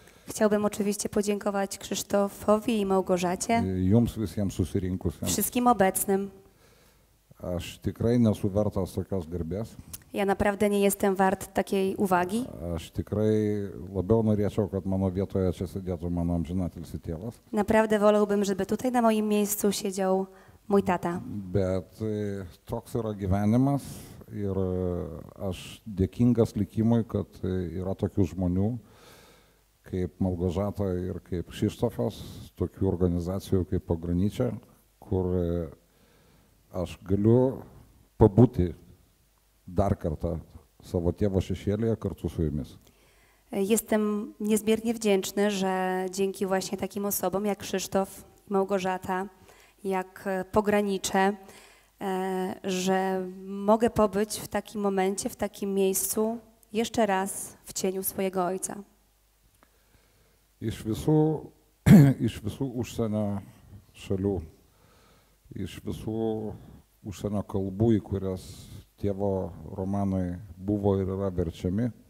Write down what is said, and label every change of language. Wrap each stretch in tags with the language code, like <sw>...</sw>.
<pl>Chciałbym oczywiście podziękować Krzysztofowi i Małgorzacie.</pl> <lt>Jums visiems susirinkusiems.</lt> <pl>Wszystkim obecnym.</pl> <lt>Aš tikrai nesu vertas tokios garbės.</lt> <pl>Ja naprawdę nie jestem wart takiej uwagi.</pl> <lt>Aš tikrai labiau norėčiau, kad mano vietoje čia sėdėtų mano amžinatilsi tėvas.</lt> <pl>Naprawdę wolałbym, żeby tutaj na moim miejscu siedział mój tata.</pl> <lt>Bet toks yra gyvenimas ir aš dėkingas likimui, kad yra tokių žmonių, kaip Malgožata ir kaip Kšištofas, tokių organizacijų kaip Pograničia, kur aš galiu pabūti dar kartą savo tėvo šešėlėje kartu su jumis.</lt> <pl>Jestem niezmiernie wdzięczny, że dzięki właśnie takim osobom jak Krzysztof, Małgorzata, jak Pogranicze, że mogę pobyć w takim momencie, w takim miejscu jeszcze raz w cieniu swojego ojca.</pl> <lt>Iš visų užsienio šalių, iš visų užsienio kalbų, į kurias tėvo romanai buvo ir yra verčiami.</lt>